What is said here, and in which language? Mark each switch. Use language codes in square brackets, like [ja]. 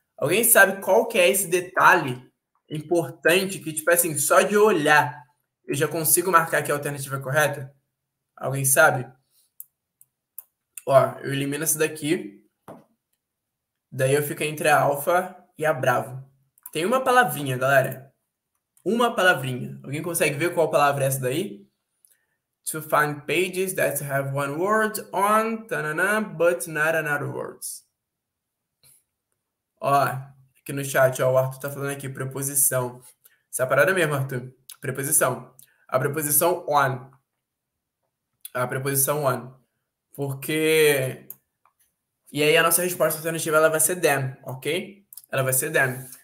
[pt] Alguém sabe qual que é esse detalhe importante que, tipo assim, só de olhar eu já consigo marcar que a alternativa é correta? Alguém sabe? Ó, eu elimino essa daqui. Daí eu fico entre a alfa e a bravo. Tem uma palavrinha, galera. Uma palavrinha. Alguém consegue ver qual palavra é essa daí? [en] To find pages that have one word on, ta-na-na, but not another words. [pt] Ó, aqui no chat, ó, o Arthur tá falando aqui, preposição. Essa é a parada mesmo, Arthur. Preposição. A preposição on. A preposição on. Porque. E aí a nossa resposta alternativa ela vai ser them, ok? Ela vai ser them.